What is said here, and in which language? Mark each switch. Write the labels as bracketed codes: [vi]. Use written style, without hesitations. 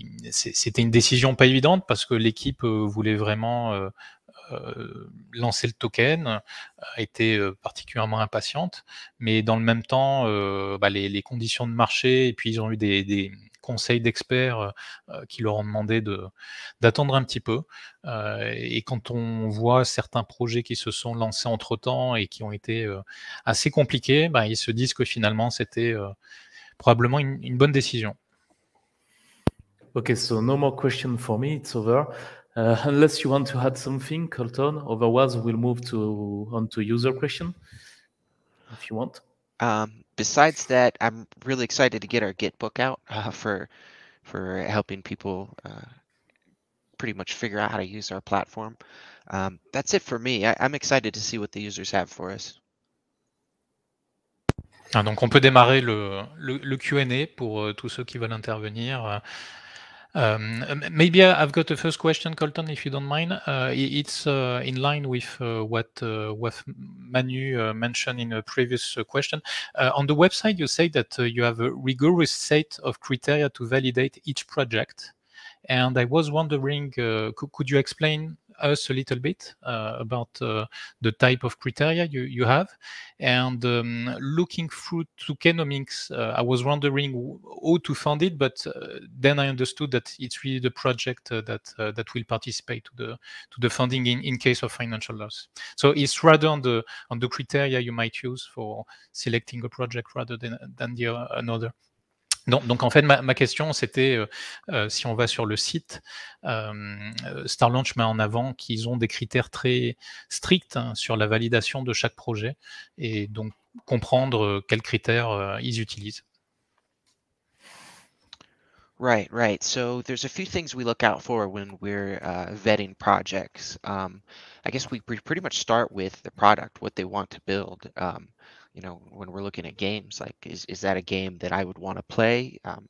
[fr] C'était une décision pas évidente parce que l'équipe voulait vraiment lancer le token, était particulièrement impatiente, mais dans le même temps, les conditions de marché, et puis ils ont eu des conseils d'experts qui leur ont demandé d'attendre un petit peu. Et quand on voit certains projets qui se sont lancés entre-temps et qui ont été assez compliqués, ils se disent que finalement, c'était probablement une bonne décision. [en] Ok, so no more questions for me, it's over. Unless you want to add something, Colton, otherwise we'll move on to user question, if you want. Besides that, I'm really excited to get our Git book out for helping people pretty much figure out how to use our platform. That's it for me. I'm excited to see what the users have for us. [fr] Ah, donc on peut démarrer le Q&A pour tous ceux qui veulent intervenir. [en] Maybe I've got a first question, Colton, if you don't mind. It's in line with what Manu mentioned in a previous question. On the website, you say that you have a rigorous set of criteria to validate each project. And I was wondering, could you explain us a little bit about the type of criteria you have? And looking through to Kenomics, I was wondering how to fund it, but then I understood that it's really the project that will participate to the funding in case of financial loss. So it's rather on the criteria you might use for selecting a project rather than the another. [fr] Donc en fait, ma question, c'était si on va sur le site, Starlaunch met en avant qu'ils ont des critères très stricts, hein, sur la validation de chaque projet, et donc comprendre quels critères ils utilisent. [en] Right, right. So there's a few things we look out for when we're vetting projects. I guess we pretty much start with the product, what they want to build. You know, when we're looking at games, like, is that a game that I would want to play?